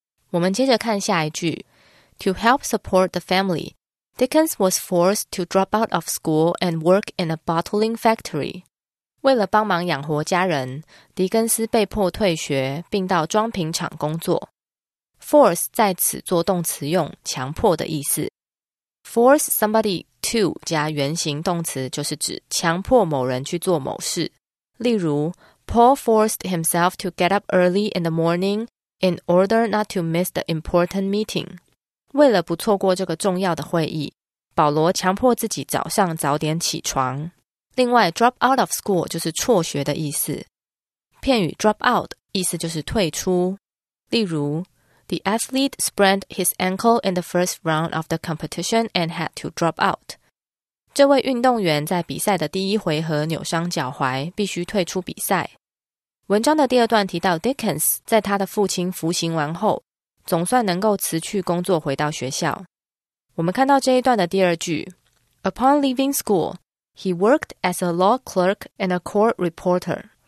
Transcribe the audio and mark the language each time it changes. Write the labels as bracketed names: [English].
[Chinese] 我们接着看下一句， [English] To help support the family, Dickens was forced to drop out of school and work in a bottling factory。 [Chinese] 为了帮忙养活家人，狄更斯被迫退学并到装瓶厂工作。 Force 在此做动词用，强迫的意思。 [English] Force somebody to [Chinese] 加原形动词就是指强迫某人去做某事。例如 [English] Paul forced himself to get up early in the morning in order not to miss the important meeting。 [Chinese] 为了不错过这个重要的会议，保罗强迫自己早上早点起床。另外 [English] drop out of school [Chinese] 就是辍学的意思。片语 drop out 意思就是退出。例如 [English] The athlete sprained his ankle in the first round of the competition and had to drop out. [Chinese] 这位运动员在比赛的第一回合扭伤脚踝，必须退出比赛。文章的第二段提到 Dickens 在他的父亲服刑完后，总算能够辞去工作回到学校。我们看到这一段的第二句， [English] Upon leaving school, he worked as a law clerk and a court reporter.